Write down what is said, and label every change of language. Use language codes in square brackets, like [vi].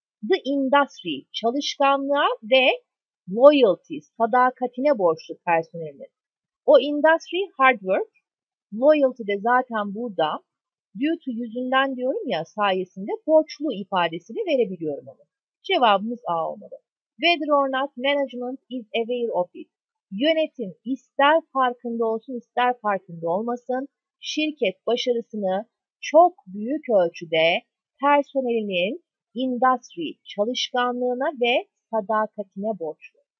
[tr] The industry, çalışkanlığa ve loyalty, sadakatine borçlu personelin. O industry hard work, loyalty de zaten burada. Due to yüzünden diyorum ya sayesinde borçlu ifadesini verebiliyorum onu. Cevabımız A olmalı. [en] Whether or not management is aware of it. [tr] Yönetim ister farkında olsun ister farkında olmasın, şirket başarısını çok büyük ölçüde personelinin industry çalışkanlığına ve sadakatine borçlu.